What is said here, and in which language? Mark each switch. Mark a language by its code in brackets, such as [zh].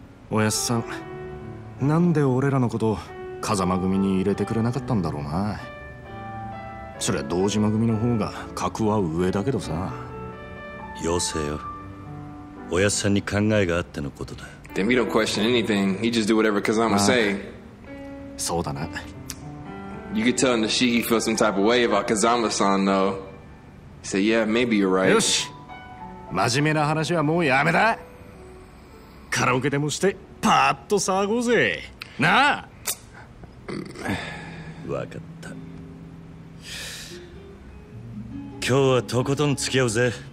[ja] おやっさんなんで俺らのことを風間組に入れてくれなかったんだろうなそりゃ堂島組の方が格は上だけどさよせよおやっさんに考えがあってのことだ [en] Then we don't question anything He just do whatever Kazama say [ja] そうだな [en] You could tell Nishiki felt some type of way about Kazama-san, though. He said, yeah, maybe you're right. [ja] よし真面目な話はもうやめだカラオケでもしてパーッと騒ごうぜなあわかった。今日はとことん付き合うぜ。